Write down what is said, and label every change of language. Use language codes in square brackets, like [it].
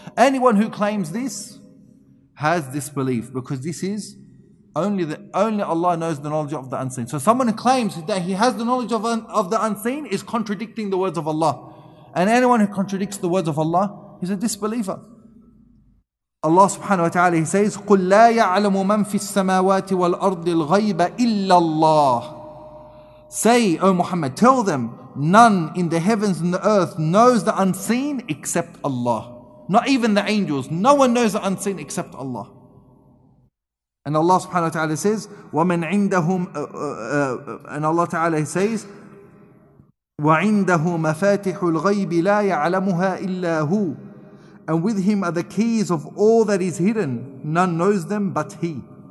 [en] Anyone who claims this has this belief, because this is only Allah knows the knowledge of the unseen. So someone who claims that he has the knowledge of the unseen is contradicting the words of Allah. And anyone who contradicts the words of Allah is a disbeliever. [ar] Allah subhanahu wa ta'ala, [en] he says, [ar] قُلْ لَا يَعْلَمُ مَنْ فِي السَّمَاوَاتِ وَالْأَرْضِ الْغَيْبَ إِلَّا اللَّهِ. [en] Say, O Muhammad, tell them, none in the heavens and the earth knows the unseen except Allah. Not even the angels. No one knows the unseen except Allah. And Allah subhanahu wa ta'ala says, [ar] وَمَنْ عِنْدَهُمْ [en] And Allah ta'ala says, [ar] وَعِنْدَهُ مَفَاتِحُ الْغَيْبِ لَا يَعْلَمُهَا إِلَّا هُوَ [en] And with him are the keys of all that is hidden. None knows them but he.